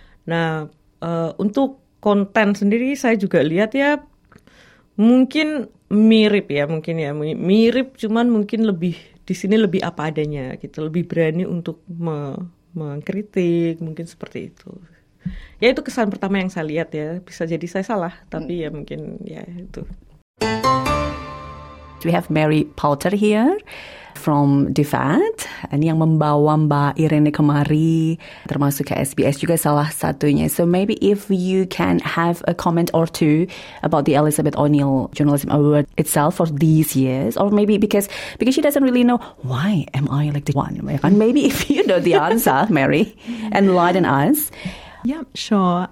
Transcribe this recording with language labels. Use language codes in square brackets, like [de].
[id] Nah, untuk konten sendiri saya juga lihat ya mungkin mirip ya, mungkin ya mirip, cuman mungkin lebih di sini lebih apa adanya gitu, lebih berani untuk mengkritik mungkin seperti itu ya. Itu kesan pertama yang saya lihat ya, bisa jadi saya salah tapi ya mungkin ya itu. [en] We have Mary Poulter here from DFAT. [id] Ini yang membawa Mbak Irene kemari, termasuk ke SBS juga salah satunya. [en] So maybe if you can have a comment or two about the Elizabeth O'Neill Journalism Award itself for these years, or maybe because she doesn't really know why am I like the one. And maybe if you know the answer, Mary, enlighten us. Yep, sure.